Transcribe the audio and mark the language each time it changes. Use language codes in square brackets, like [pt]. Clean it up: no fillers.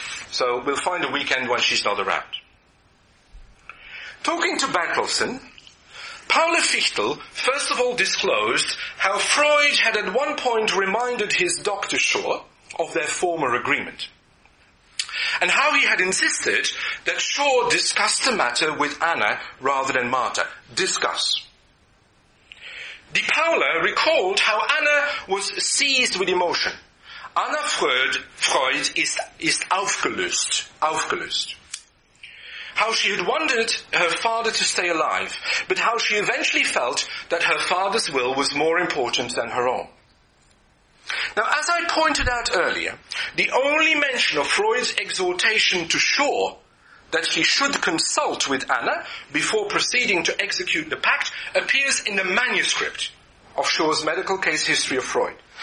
[en] So we'll find a weekend when she's not around. Talking to Bertelsen, Paula Fichtel first of all disclosed how Freud had at one point reminded his doctor Shaw of their former agreement, and how he had insisted that Shaw discuss the matter with Anna rather than Marta. Discuss. Die Paula recalled how Anna was seized with emotion. [de] Anna Freud ist aufgelöst. Aufgelöst. [en] How she had wanted her father to stay alive, but how she eventually felt that her father's will was more important than her own. Now, as I pointed out earlier, the only mention of Freud's exhortation to Shaw that he should consult with Anna before proceeding to execute the pact appears in the manuscript of Shaw's medical case history of Freud.